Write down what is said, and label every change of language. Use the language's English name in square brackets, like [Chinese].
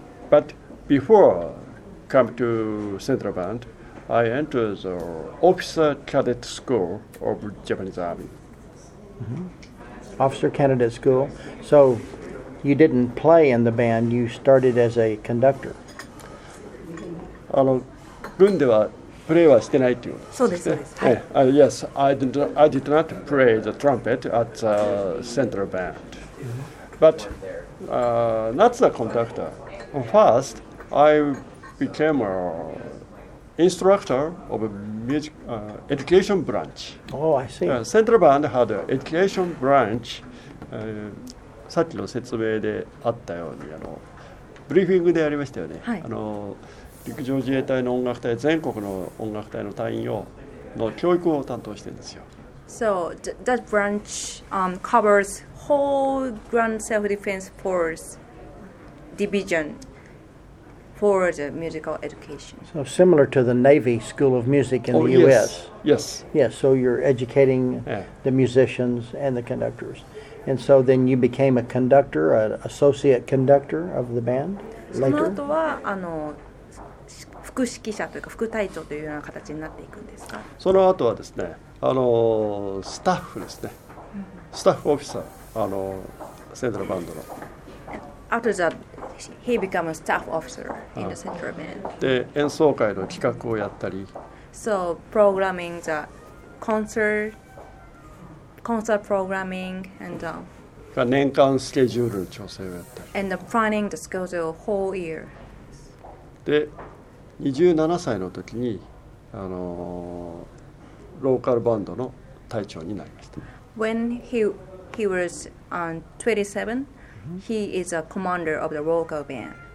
[English] But before I come to Central Band, I entered the Officer Cadet School of Japanese Army. Mm-hmm. Officer Cadet School. So you didn't play in the band, you started as a conductor. [Japanese] 軍ではプレイはしてないっていうことですね。はい。 [English] Yes, I did not play the trumpet at the central band. But not the conductor. First, I became an instructor of a music education branch. Oh, I see. Central band had an education branch. [Japanese] さっきの説明であったように、ブリーフィングでありましたよね。はい。陸上自衛隊の音楽隊、全国の音楽隊の隊員をの教育を担当してるんですよ。 [English] So that branch covers whole Grand Self-Defense Force Division for the musical education. So similar to the Navy School of Music in the U.S. Yes. Yes. So you're educating the musicians and the conductors, and so then you became a conductor, an associate conductor of the band later. [Japanese] その後は副指揮者というか副隊長というような形になっていくんですか。その後はですね、スタッフですね、スタッフオフィサー、セントラルバンドの。 [English] After that, he became a staff officer in the central band. [Japanese] で、演奏会の企画をやったり。 [English] So programming the concert programming and [Japanese] が年間スケジュールの調整をやったり。 [English] And planning the schedule whole year. [Japanese] で。 27歳の時にローカルバンドの隊長になりました。 [English] When he was 27, he is a commander of the local band.